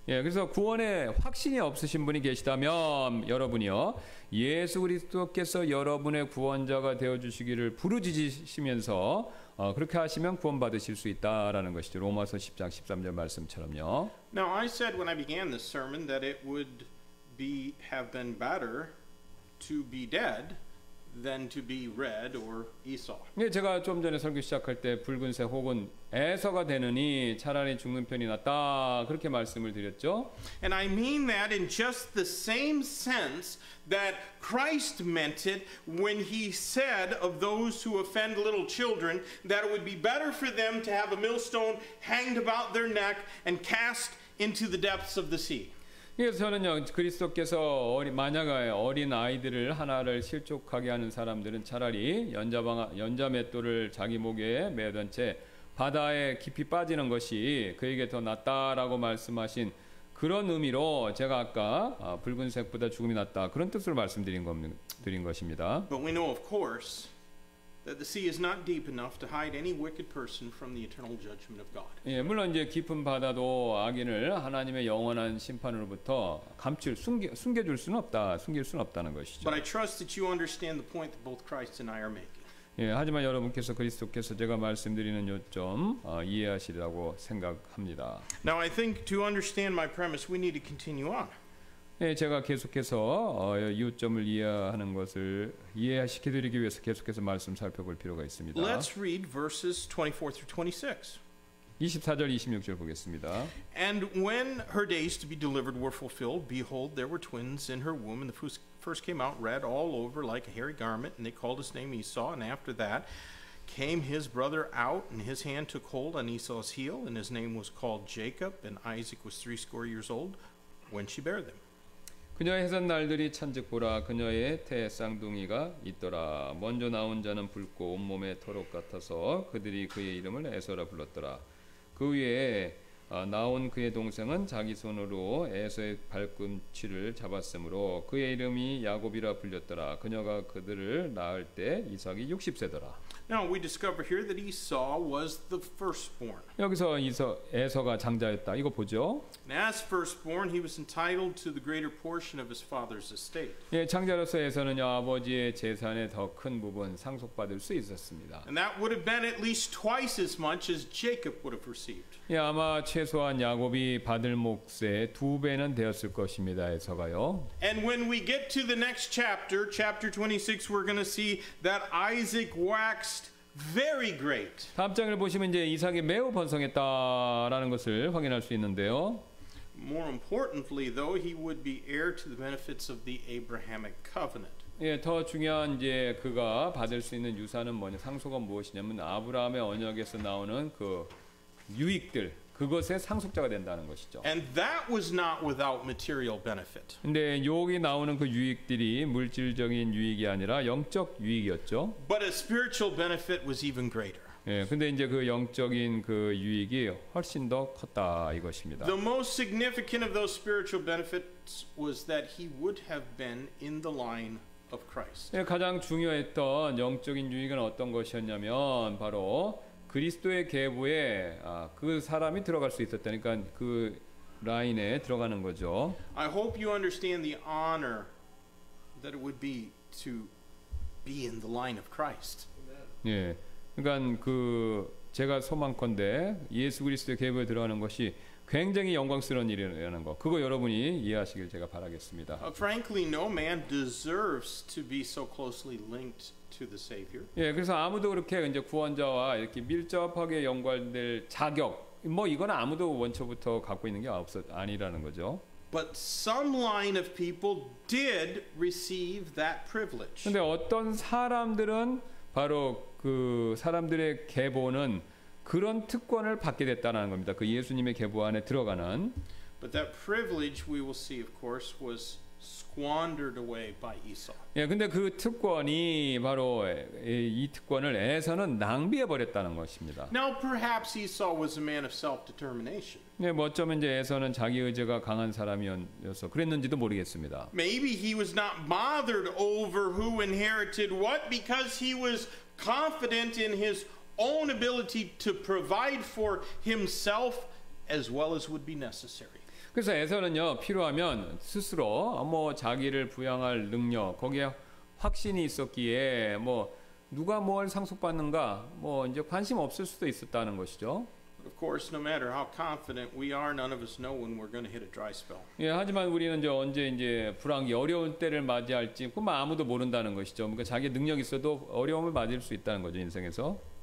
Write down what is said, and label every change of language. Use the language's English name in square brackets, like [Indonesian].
[Korean] 예, 그래서 구원에 확신이 없으신 분이 계시다면 여러분이요 예수 그리스도께서 여러분의 구원자가 되어 주시기를 부르짖으시면서 그렇게 하시면 구원 받으실 수 있다라는 것이죠. 로마서 10장 13절 말씀처럼요. [English] Now I said when I began this sermon that it would be have been better to be dead than to be red or Esau. [Korean] 예, 제가 좀 전에 설교 시작할 때 붉은새 혹은 에서가 되느니 차라리 죽는 편이 낫다 그렇게 말씀을 드렸죠. [English] And I mean that in just the same sense that Christ meant it when he said of those who offend little children that it would be better for them to have a millstone hanged about their neck and cast into the depths of the sea. [Korean] 그래서 저는요 그리스도께서 만약에 어린 아이들을 하나를 실족하게 하는 사람들은 차라리 연자맷돌을 자기 목에 매던 채 바다에 깊이 빠지는 것이 그에게 더 낫다라고 말씀하신 그런 의미로 제가 아까 붉은색보다 죽음이 낫다 그런 뜻으로 말씀드린 것입니다. [English] But we know of course that the sea is not deep enough to hide any wicked person from the eternal judgment of God. [Korean] 예, 물론 이제 깊은 바다도 악인을 하나님의 영원한 심판으로부터 감출 숨겨줄 수는 없다. 숨길 수는 없다는 것이죠. [English] But I trust that you understand the point that both Christ and I are making. [Korean] 예, 하지만 여러분께서 그리스도께서 제가 말씀드리는 요점 이해하시리라고 생각합니다. [English] Now I think to understand my premise we need to continue on. [Korean] 예, 제가 계속해서 요점을 이해하는 것을 이해시켜드리기 위해서 계속해서 말씀 살펴볼 필요가 있습니다. [English] Let's read verses 24 through 26. [Korean] 24절, 26절 보겠습니다. [English] And when her days to be delivered were fulfilled, behold, there were twins in her womb, and the first came out red all over like a hairy garment, and they called his name Esau. And after that came his brother out, and his hand took hold on Esau's heel, and his name was called Jacob, and Isaac was 80 years old when she bare them. [Korean] 그녀의 해산 날들이 찬즉 보라 그녀의 태 쌍둥이가 있더라 먼저 나온 자는 붉고 온몸에 털옷 같아서 그들이 그의 이름을 에서라 불렀더라 그 위에 나온 그의 동생은 자기 손으로 에서의 발꿈치를 잡았으므로 그의 이름이 야곱이라 불렸더라. 그녀가 그들을 낳을 때 이삭이 60세더라. [English] Now we discover here that Esau was the firstborn. [Korean] 여기서 에서가 장자였다. 이거 보죠. [English] And as firstborn, he was entitled to the greater portion of his father's estate. [Korean] 예, 장자로서 에서는요 아버지의 재산의 더 큰 부분 상속받을 수 있었습니다. [English] And that would have been at least twice as much as Jacob would have received. [Korean] 예, 아마 최소한 야곱이 받을 몫의 두 배는 되었을 것입니다. 에서가요. [English] And when we get to the next chapter, chapter 26, we're going to see that Isaac waxed very great. [Korean] 다음 장을 보시면 이제 이삭이 매우 번성했다라는 것을 확인할 수 있는데요. [English] More importantly, though, he would be heir to the benefits of the Abrahamic covenant. [Korean] 예, 더 중요한 이제 그가 받을 수 있는 유산은 뭐냐, 상속은 무엇이냐면 아브라함의 언약에서 나오는 그 유익들, 그것의 상속자가 된다는 것이죠. [English] And that was not without material benefit. [Korean] 근데 여기 나오는 그 유익들이 물질적인 유익이 아니라 영적 유익이었죠. [English] But a spiritual benefit was even greater. [Korean] 예, 근데 이제 그 영적인 그 유익이 훨씬 더 컸다 이것입니다. [English] The most significant of those spiritual benefits was that he would have been in the line of Christ. [Korean] 예, 가장 중요했던 영적인 유익은 어떤 것이었냐면 바로 그리스도의 계보에 그 사람이 들어갈 수 있었다니까 그 라인에 들어가는 거죠. [English] I hope you understand the honor that it would be to be in the line of Christ. [Korean] 예, 그러니까 그 제가 소망컨대 예수 그리스도의 계보에 들어가는 것이 굉장히 영광스러운 일이라는 거. 그거 여러분이 이해하시길 제가 바라겠습니다. [English] Frankly, no man deserves to be so closely linked to the Savior. [Korean] 예, 그래서 아무도 그렇게 이제 구원자와 이렇게 밀접하게 연관될 자격, 뭐 이건 아무도 원초부터 갖고 있는 게 아니라는 거죠. [English] But some line of people did receive that privilege. [Korean] 근데 어떤 사람들은 바로 그 사람들의 계보는 그런 특권을 받게 됐다는 겁니다. 그 예수님의 계보 안에 들어가는. [English] But that privilege we will see, of course, was squandered away by Esau. [Korean] 예, 근데 그 특권이 바로 이 특권을 에서는 낭비해 버렸다는 것입니다. [English] Now perhaps Esau was a man of self-determination. [Korean] 예, 뭐 어쩌면 이제 에서는 자기 의지가 강한 사람이어서 그랬는지도 모르겠습니다. [English] Maybe he was not bothered over who inherited what because he was confident in his own ability to provide for himself as well as would be necessary. [Korean] 그래서 에서는요 필요하면 스스로 뭐 자기를 부양할 능력 거기에 확신이 있었기에 뭐 누가 뭘 상속받는가 뭐 이제 관심 없을 수도 있었다는 것이죠. [English] Of course, no matter how confident we are, none of us know when we're going to hit a dry spell. [Korean] 예, 하지만 우리는 이제 언제 이제 불황이 어려운 때를 맞이할지 그건 아무도 모른다는 것이죠. 그러니까 자기 능력 있어도 어려움을 맞을 수 있다는 거죠 인생에서.